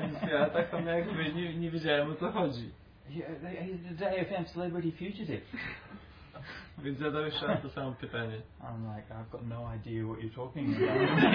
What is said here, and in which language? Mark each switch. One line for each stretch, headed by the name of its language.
Polish: Ja tak tam jakby nie wiedziałem, o co chodzi.
English: He's the day FM celebrity fugitive.
Polish: Więc zadałem jeszcze raz to samo pytanie.
English: I'm like, I've got no idea what you're talking about.